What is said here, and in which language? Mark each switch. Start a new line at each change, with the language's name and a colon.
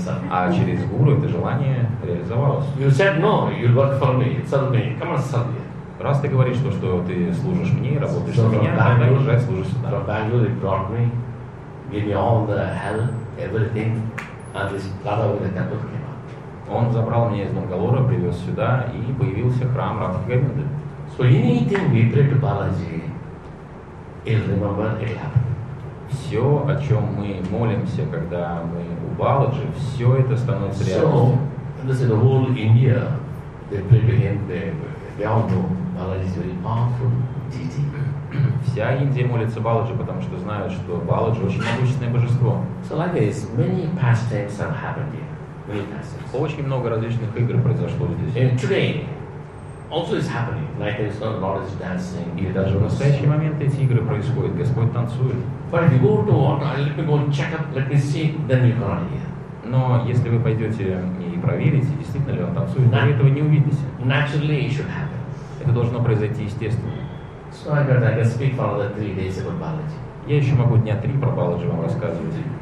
Russian: А через гуру это желание реализовалось.
English: You said no, you'll work for me. Suddenly, come on, suddenly.
Russian: Раз ты говоришь, что ты служишь мне, работаешь на меня, тогда уезжай, служишь сюда.
English: From Bangalore, he brought me, gave me all the help, everything, and this Radha Govinda temple came up.
Russian: Он забрал меня из Бангалора, привез сюда, и появился храм Радха Говинды.
English: So anything we pray to Balaji, he'll remember, it'll happen.
Russian: Все, о чем мы молимся, когда мы у Баладжи, все это становится реальностью.
English: So, listen, the whole India, they pray to him, they all know Balaji is very powerful deity.
Russian: Вся Индия молится Баладжи, потому что знают, что Баладжи очень могущественное божество.
English: So like this, many pastimes have happened here.
Russian: Очень много различных игр произошло здесь.
English: And today, also is happening. Like it's not Lord is dancing.
Russian: И даже в настоящий момент эти игры происходят. Господь танцует.
English: But if you go to water, let me go check up, let me see, then you come here.
Russian: Но если вы пойдете и проверите, действительно ли он танцует, вы этого не увидите.
English: Naturally, it should happen.
Russian: Это должно произойти естественно.
English: So I got, I can speak for another 3 days about Balaji.
Russian: Я еще могу дня три про Баладжи вам рассказывать.